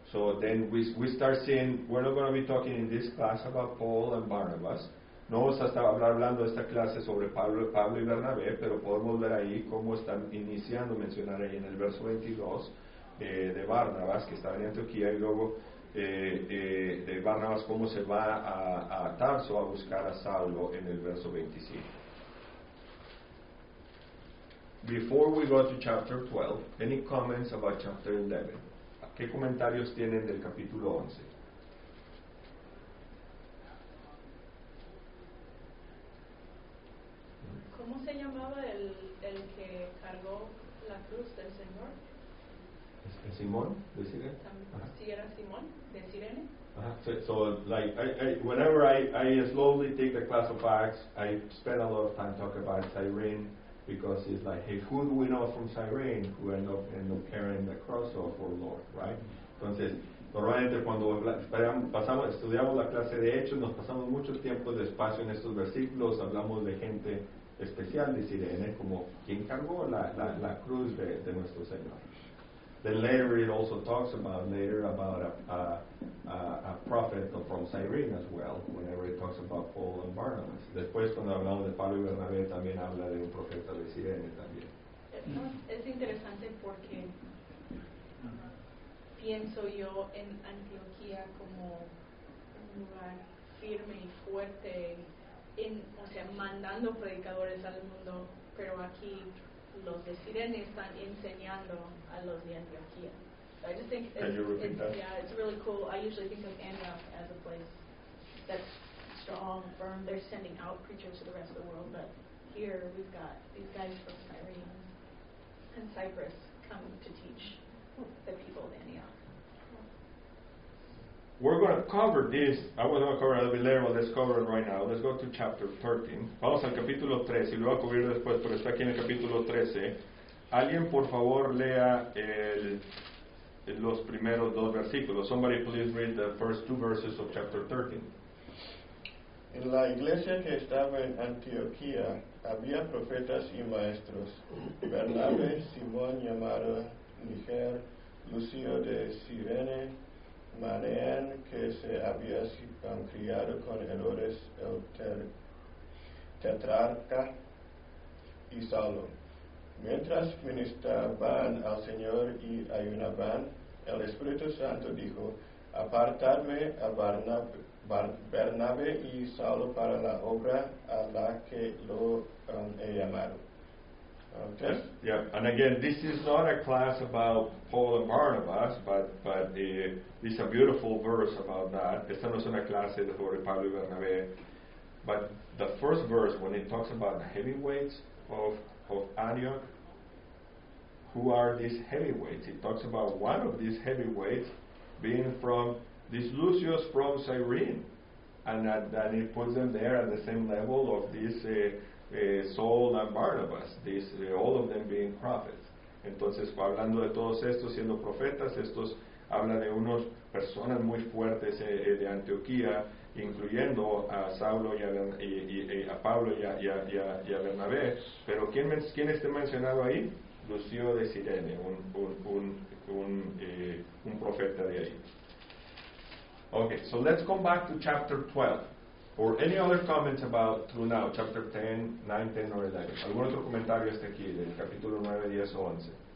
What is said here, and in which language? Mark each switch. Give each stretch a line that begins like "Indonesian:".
English: So then we start seeing, we're not going to be talking in this class about Paul and Barnabas.
Spanish: No vamos a estar hablando de esta clase sobre Pablo y Bernabé, pero podemos ver ahí cómo están iniciando, mencionar ahí en el verso 22 de Barnabas, que estaba en Antioquía, y luego de Barnabas cómo se va a Tarso a buscar a Saulo en el verso 25.
English: Before we go to chapter 12, any comments about chapter 11?
Spanish: ¿Qué comentarios tienen del capítulo 11? ¿Cómo se llamaba el que cargó la cruz del Señor? ¿Es Simón de Cirene? Sí, era Simón de Cirene.
English: So like whenever I slowly take the class of Acts, I spend a lot of time talking about Cyrene, because it's like, hey, who do we know from Cyrene who end up carrying the cross of our Lord, right?
Spanish: Entonces, normalmente cuando estudiamos la clase de Hechos, nos pasamos mucho tiempo de espacio en estos versículos, hablamos de gente especial de Cirene, como quien cargó la cruz de nuestro Señor.
English: Then later it also talks about a prophet from Cyrene as well, whenever it talks about Paul and Barnabas.
Spanish: Después, cuando hablamos de Pablo y Bernabé, también habla de un profeta de Cirene también. Es interesante porque pienso yo en Antioquía como un lugar firme y fuerte, mandando predicadores al mundo, pero aquí los de Cirene están enseñando a los de Antioquía.
English: So I just think it's really cool. I usually think of Antioch as a place that's strong, firm. They're sending out preachers to the rest of the world, but here we've got these guys from Cyrene and Cyprus come to teach the people of Antioch. We're going to cover this. I was going to cover it a little bit later, but let's cover it right now. Let's go to chapter 13.
Spanish: Vamos al capítulo 13. Lo voy a cubrir después, pero está aquí en el capítulo 13. Alguien, por favor, lea los primeros dos versículos.
English: Somebody please read the first two verses of chapter 13.
Spanish: En la iglesia que estaba en Antioquía, había profetas y maestros. Bernabé, Simón, llamado Níger, Lucio de Cirene, Manén, que se había criado con Herodes el tetrarca, y Saulo. Mientras ministraban al Señor y ayunaban, el Espíritu Santo dijo: apartadme a Bernabé y Saulo para la obra a la que lo he llamado.
English: Okay. Yeah, and again, this is not a class about Paul and Barnabas, but this is a beautiful verse about that.
Spanish: Esta no es una clase sobre Pablo y Bernabé.
English: But the first verse, when it talks about the heavyweights of Antioch, who are these heavyweights? It talks about one of these heavyweights being from this Lucius from Cyrene. And that it puts them there at the same level of this Saul and Barnabas, all of them being prophets.
Spanish: Entonces, hablando de todos estos siendo profetas, estos habla de unos personas muy fuertes de Antioquía, incluyendo a Saulo y a Pablo y a Bernabé. Pero ¿quién está mencionado ahí? Lucio de Cirene, un profeta de ahí.
English: Okay, so let's come back to chapter 12. Or any other comments about through now, chapter 10, 9, 10, or 11.
Spanish: ¿Algún otro comentario hasta aquí, del capítulo 9, 10 o 11?